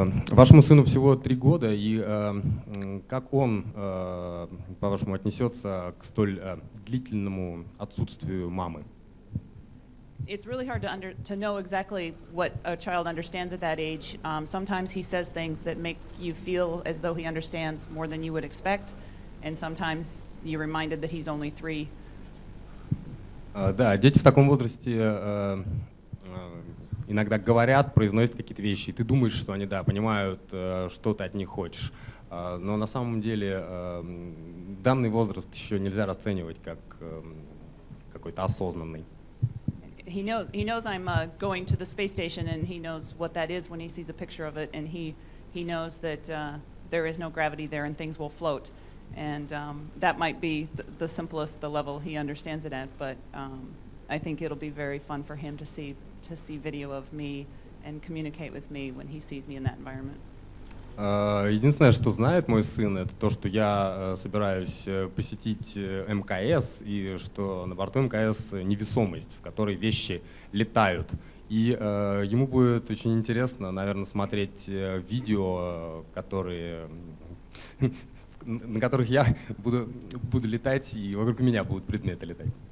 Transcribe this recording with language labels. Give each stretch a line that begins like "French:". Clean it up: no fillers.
Russian: Вашему сыну всего 3 года, и как он, по-вашему, отнесется к столь длительному отсутствию мамы?
English: It's really hard to know exactly what a child understands at that age. Sometimes he says things that make you feel as though he understands more than you would expect, and sometimes you're reminded that he's only 3.
Russian: Да, дети в таком возрасте иногда говорят, произносят какие-то вещи, и ты думаешь, что они, да, понимают, что ты от них хочешь. Но на самом деле данный возраст еще нельзя расценивать как какой-то осознанный.
English: He knows I'm going to the space station, and he knows what that is when he sees a picture of it, and he knows that there is no gravity there, and things will float. And that might be the simplest, the level he understands it at, but I think it'll be very fun for him to see video of me and communicate with me when he sees me in that environment.
Russian: Единственное, что знает мой сын, это то, что я собираюсь посетить МКС, и что на борту МКС невесомость, в которой вещи летают. И ему будет очень интересно, наверное, смотреть видео, на которых я буду летать, и вокруг меня будут предметы летать.